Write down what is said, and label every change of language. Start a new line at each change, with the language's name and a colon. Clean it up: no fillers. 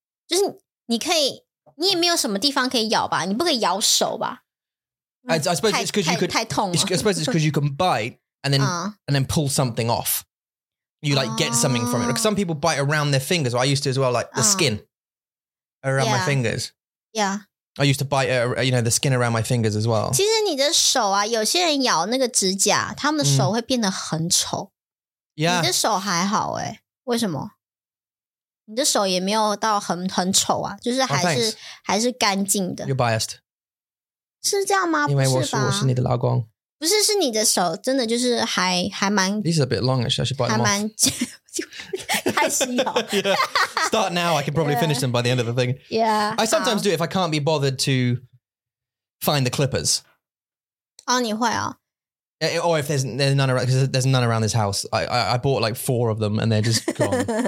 Chinese: Just, 你可以, 你也没有什么地方可以咬吧, 你不可以咬手吧。
English: I suppose it's because you could. I suppose it's because you can bite and then and then pull something off. You like get something from it. Because some people bite around their fingers. Well, I used to as well, like the skin around my fingers. Yeah. I used to bite, you know, the skin around my fingers as well.
Chinese: 其实你的手啊, 有些人咬那个指甲, 他们的手会变得很丑。
English: Yeah.
Chinese: 你的手还好耶, 为什么? 你的手也没有到很丑啊, 就是还是,
English: oh, thanks.
Chinese: 还是干净的。
English: You're biased.
Chinese: 是这样吗? 因为我是你的老公。不是，是你的手真的就是还蛮...
English: These are a bit long, actually. I should bite them off.
Chinese: 开始咬。
English: Start now. I can probably finish them by the end of the thing. Yeah. I sometimes do it if I can't be bothered to find the clippers.
Chinese: 哦,你会哦?
English: Or if there's none around, because there's none around this house. I bought like four of them and they're just gone.